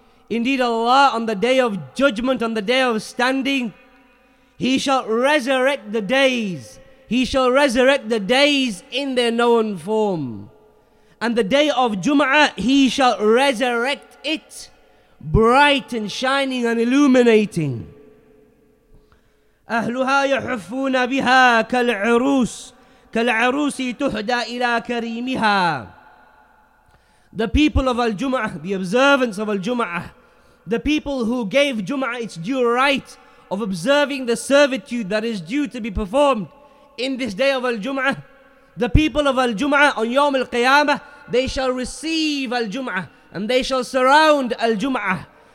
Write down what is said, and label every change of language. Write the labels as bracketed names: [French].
[English] Indeed Allah, on the day of judgment, on the day of standing, He shall resurrect the days. He shall resurrect the days in their known form. And the day of Jum'ah, He shall resurrect it bright and shining and illuminating. [Arabic] أهلها يحفون بها كالعروس كالعروس تهدى إلى كريمها. [English] The people of Al-Jum'ah, the observance of Al-Jum'ah, the people who gave Jum'ah its due right of observing the servitude that is due to be performed in this day of Al-Jum'ah, the people of Al-Jum'ah on Yawm Al-Qiyamah, they shall receive Al-Jum'ah and they shall surround Al-Jum'ah.